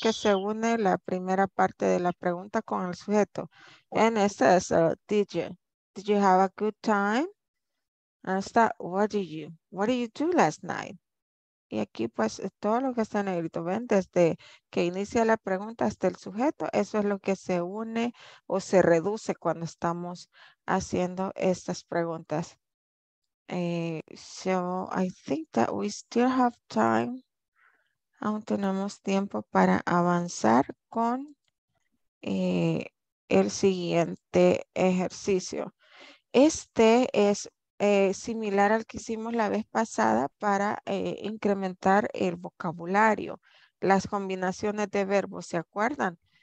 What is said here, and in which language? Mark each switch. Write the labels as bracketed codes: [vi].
[es] Que se une la primera parte de la pregunta con el sujeto. [en] And it says, did you have a good time? And start, what did you do last night? [es] Y aquí pues todo lo que está en negrito, ven, desde que inicia la pregunta hasta el sujeto, eso es lo que se une o se reduce cuando estamos haciendo estas preguntas. [en] So I think that we still have time. [es] Aún tenemos tiempo para avanzar con el siguiente ejercicio. Este es similar al que hicimos la vez pasada para incrementar el vocabulario, las combinaciones de verbos, ¿se acuerdan?